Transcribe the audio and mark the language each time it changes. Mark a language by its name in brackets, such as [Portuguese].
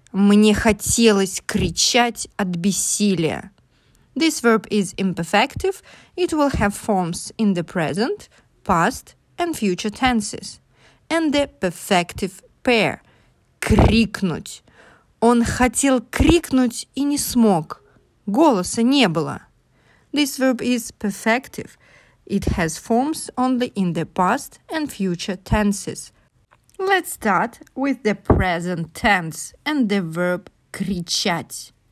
[Russian] Мне хотелось кричать от бессилия. [English] This verb is imperfective. It will have forms in the present, past and future tenses. And the perfective pair. Крикнуть. [Russian] Он хотел крикнуть и не смог. Голоса не было. [English] This verb is perfective. It has forms only in the past and future tenses. Let's start with the present tense and the verb кричать.